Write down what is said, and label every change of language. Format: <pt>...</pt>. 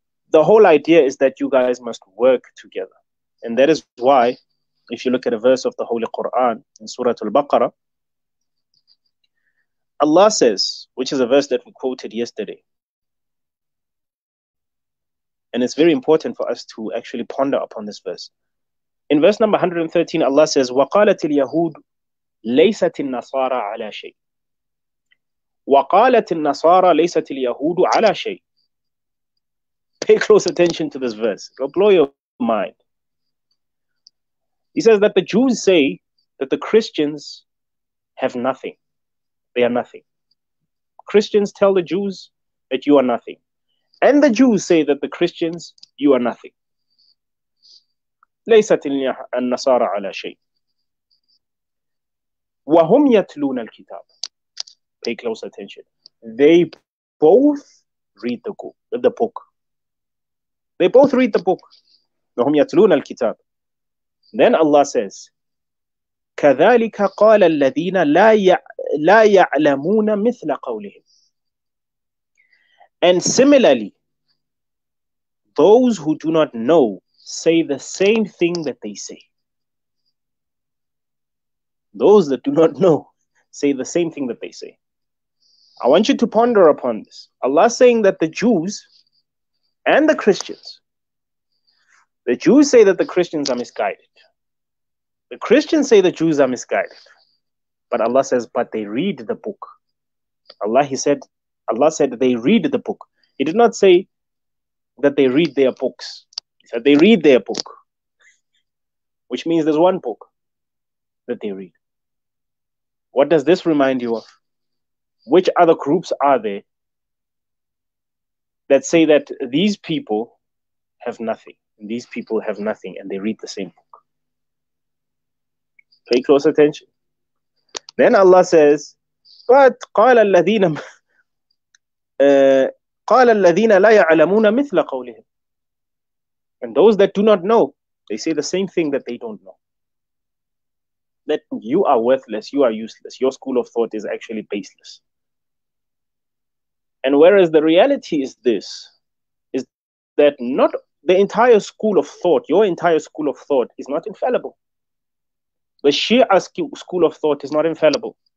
<en>The whole idea is that you guys must work together. And that is why, if you look at a verse of the Holy Quran in Surah Al-Baqarah, Allah says, which is a verse that we quoted yesterday, and it's very important for us to actually ponder upon this verse. In verse number 113, Allah says,</en> <ar>وَقَالَتِ الْيَهُودُ لَيْسَتِ النَّصَارَى عَلَى شَيْءٍ وَقَالَتِ النَّصَارَى لَيْسَتِ الْيَهُودُ عَلَى شَيْءٍ.</ar> <en>Pay close attention to this verse. It'll blow your mind. He says that the Jews say that the Christians have nothing. They are nothing. Christians tell the Jews that you are nothing. And the Jews say that the Christians, you are nothing.</en> <ar>ليست النصارى على شيء. وهم يتلون الكتاب.</ar> <en>Pay close attention. They both read the book. They both read the book.</en> <ar>وهم يتلون الكتاب.</ar> <en>Then Allah says,</en> <ar>كَذَلِكَ قَالَ الَّذِينَ لَا يَعْلَمُونَ مِثْلَ قَوْلِهِمْ.</ar> <en>And similarly, those who do not know say the same thing that they say. Those that do not know say the same thing that they say. I want you to ponder upon this. Allah saying that the Jews and the Christians, the Jews say that the Christians are misguided. The Christians say the Jews are misguided. But Allah says, but they read the book. Allah said they read the book. He did not say that they read their books. He said they read their book. Which means there's one book that they read. What does this remind you of? Which other groups are there that say that these people have nothing? These people have nothing and they read the same book. Pay close attention. Then Allah says, but</en> <ar>قَالَ الَّذِينَ لَا يَعْلَمُونَ مِثْلَ قَوْلِهِمْ.</ar> <en>And those that do not know, they say the same thing that they don't know. That you are worthless, you are useless, your school of thought is actually baseless. And whereas the reality is this, is that not the entire school of thought, your entire school of thought is not infallible. The Shia school of thought is not infallible.</en>